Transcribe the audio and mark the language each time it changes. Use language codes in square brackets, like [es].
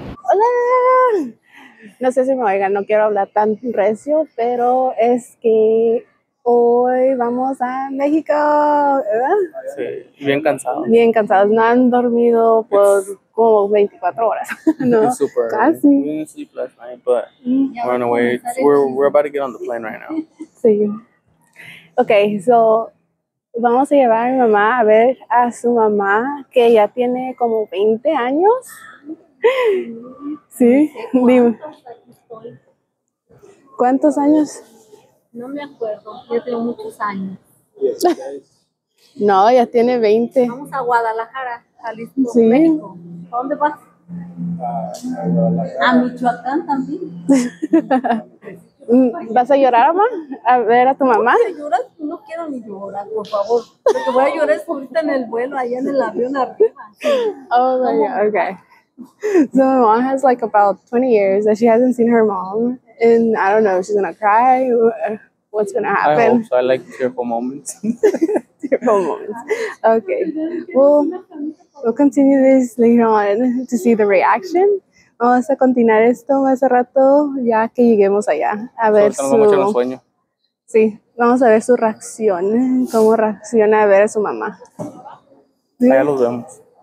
[es] ¡Hola! No sé si me oigan, no quiero hablar tan recio, pero es que hoy vamos a México, ¿verdad? Sí, bien cansados. Bien cansados, no han dormido por como 24 horas, ¿no? Super. Casi. [en] We didn't sleep last night, but we're on the way. We're about to get on the plane right now. [es] Sí. Ok, so vamos a llevar a mi mamá a ver a su mamá, que ya tiene como 20 años. Sí, dime. ¿Cuántos años? No me acuerdo, ya tengo muchos años. No, ya tiene 20. Vamos a Guadalajara, Jalisco, sí. México. ¿A dónde vas? A Michoacán también. ¿Vas a llorar, mamá? ¿A ver a tu mamá? ¿Por qué lloras? No quiero ni llorar, por favor. Lo que voy a llorar es ahorita en el vuelo, allá en el avión arriba. [en] Oh, my God, okay. So my mom has like about 20 years that she hasn't seen her mom, and I don't know, she's gonna cry, what's gonna happen? I hope so. I like tearful moments. Tearful moments. Okay, well, we'll continue this later on to see the reaction. [es] Vamos a continuar esto más a rato ya que lleguemos allá. A ver su... Sí, vamos a ver su reacción, cómo reacciona a ver a su mamá. Allá los vemos.